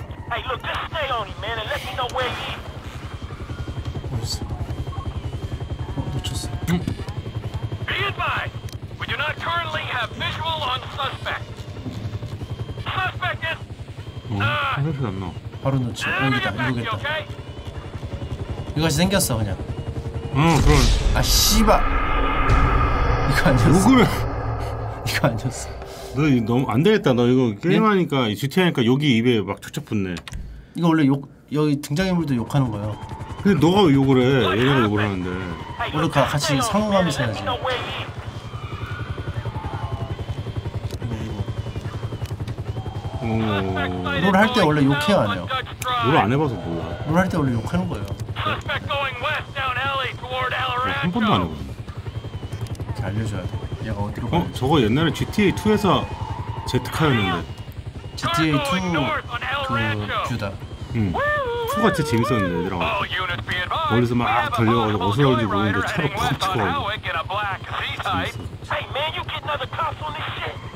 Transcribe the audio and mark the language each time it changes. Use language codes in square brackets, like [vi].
[en] Hey, look, just stay on him, man, and let me know where he is. [ko] 어딨어? 어, 놓쳤어. [en] 응. Be advised! We do not currently have visual on suspect. Suspect is... 어, [ko] 바로 놓치고 여기다 이거겠다. 이것이 생겼어 그냥. 응 그럼. 아 씨발 이거 안 졌어. 욕을... 이거 안 졌어. 너 이거 너무 안 되겠다. 너 이거 게임하니까 예? GTA 하니까 여기 입에 막 촉촉 붙네. 이거 원래 욕 여기 등장인물도 욕하는 거야. 근데 너가 왜 욕을 해? 얘네가 욕을 하는데. 우리 가 같이 상호감에서 해야지. 롤 할 때 원래 욕해야 안 해요. 롤 안 해봐서 뭐야. 롤 할 때 원래 욕하는 거예요. 네? 한 번도 안 해봤네. 이렇게 알려줘야 돼. 얘가 어디로 가야 돼. 저거 옛날에 GTA2에서 제트카였는데. GTA2 그 뷰다. 2가 진짜 재밌었는데 얘들아. 멀리서 막 달려가서 어디서 오는지 모르는데 차로 콕 쳐가지고. 재밌어. [en] Hey man, you get another cuff on this shit.